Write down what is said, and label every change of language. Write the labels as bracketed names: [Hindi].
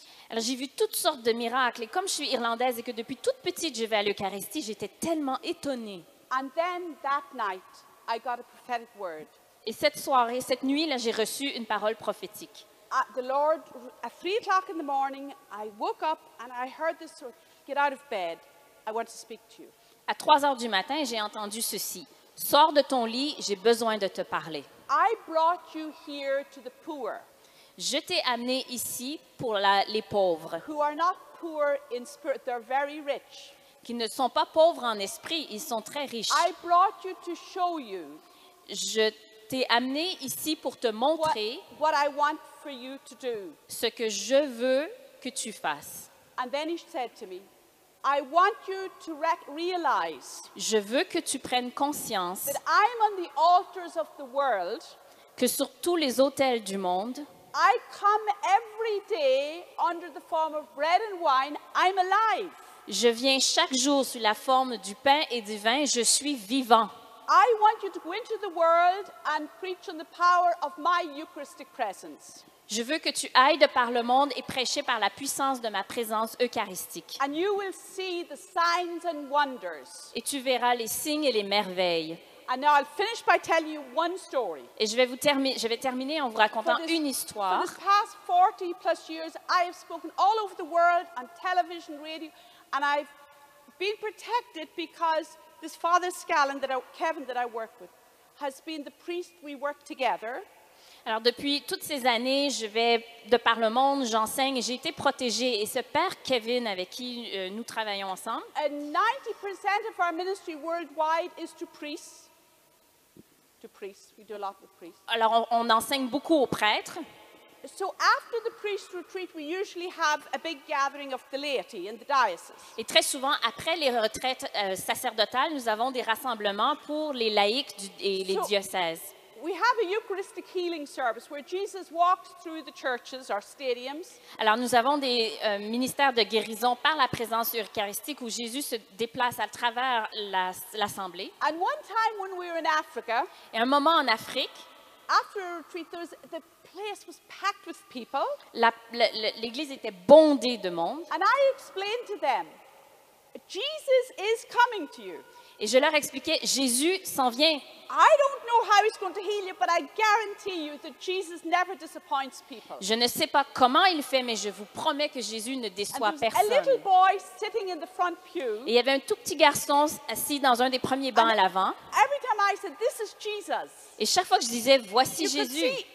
[French] Alors j'ai vu toutes sortes de miracles et comme je suis irlandaise et que depuis toute petite je vais à l'Eucharistie, j'étais tellement étonnée. [English] And then that night, I got a prophetic word. [French] Et cette soirée, cette nuit-là, j'ai reçu une parole prophétique. [English] The Lord, at 3 o'clock in the morning, I woke up and I heard this. Get out of bed. I want to speak to you. [French] À 3 heures du matin, j'ai entendu ceci. Sors de ton lit. J'ai besoin de te parler. [English] I brought you here to the poor. [French] Je t'ai amené ici pour les pauvres. [English] Who are not poor in spirit? They're very rich. [French] Qui ne sont pas pauvres en esprit. Ils sont très riches. [English] I brought you to show you. [French] Je t'ai amené ici pour te montrer. [English] What I want. For you to do. [French] Ce que je veux que tu fasses. [English] And then he said to me, I want you to realize. [French] Je veux que tu prennes conscience. [English] That I'm on the altars of the world. [French] Que sur tous les autels du monde. [English] I come every day under the form of bread and wine. I'm alive. [French] Je viens chaque jour sous la forme du pain et du vin. Je suis vivant. [English] I want you to go into the world and preach on the power of my Eucharistic presence. [French] Je veux que tu ailles de par le monde et prêcher par la puissance de ma présence eucharistique. [English] And you will see the signs and wonders. [French] Et tu verras les signes et les merveilles. [English] And now I'll finish by telling you one story. [French] Et je vais terminer en vous racontant une histoire. [English] For the past 40 plus years, I have spoken all over the world on television, radio, and I've been protected because this Father Scallon, Kevin, that I work with, has been the priest we work together. [French] Alors depuis toutes ces années, je vais de par le monde, j'enseigne, j'ai été protégée. Et ce père Kevin, avec qui nous travaillons ensemble. [English] And 90% of our ministry worldwide is to priests. To priests, we do a lot with priests. [French] Alors on enseigne beaucoup aux prêtres. [English] So after the priest retreat, we usually have a big gathering of the laity in the diocese. [French] Et très souvent, après les retraites sacerdotales, nous avons des rassemblements pour les laïcs et les diocèses. [English] We have a Eucharistic healing service where Jesus walks through the churches or stadiums. [French] Alors nous avons des ministères de guérison par la présence eucharistique où Jésus se déplace à travers l'assemblée. [English] And one time when we were in Africa, [French] et un moment en Afrique, [English] after a retreat, there was the place was packed with people. [French] L'église était bondée de monde. [English] And I explained to them, Jesus is coming to you. [French] Et je leur expliquais, Jésus s'en vient. [English] I don't know how he's going to heal you, but I guarantee you that Jesus never disappoints people. [French] Je ne sais pas comment il fait, mais je vous promets que Jésus ne déçoit [English] and [French] personne. [English] A little boy sitting in the front pew. [French] Et il y avait un tout petit garçon assis dans un des premiers bancs [English] and [French] à l'avant. [English] Every time I said, this is Jesus. [French] Et chaque fois que je disais, voici Jésus.